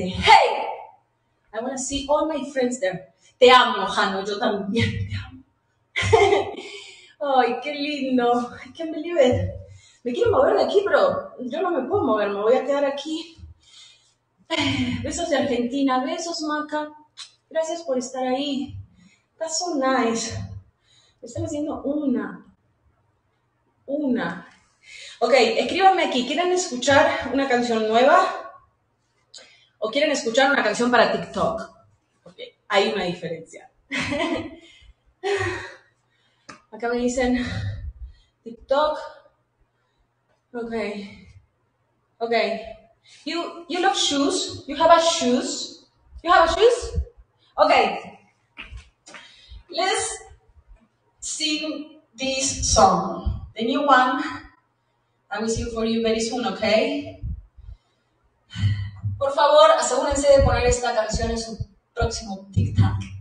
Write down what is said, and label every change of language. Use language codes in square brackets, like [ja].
[en] Hey, I want to see all my friends there. [es] Te amo, Jano, yo también te amo. Ay, qué lindo. [en] I can't believe it. [es] Me quiero mover de aquí, pero yo no me puedo mover, me voy a quedar aquí. Besos de Argentina, besos, Maca. Gracias por estar ahí. [en] That's so nice. [es] Me están haciendo una. Ok, escríbanme aquí. ¿Quieren escuchar una canción nueva? ¿O quieren escuchar una canción para TikTok? Ok, hay una diferencia. Acá me dicen TikTok. Ok. Ok. [en] You love shoes? You have a shoes? You have a shoes? Ok. Let's sing this song. The new one, I will sing for you very soon, okay? [es] Por favor, asegúrense de poner esta canción en su próximo TikTok.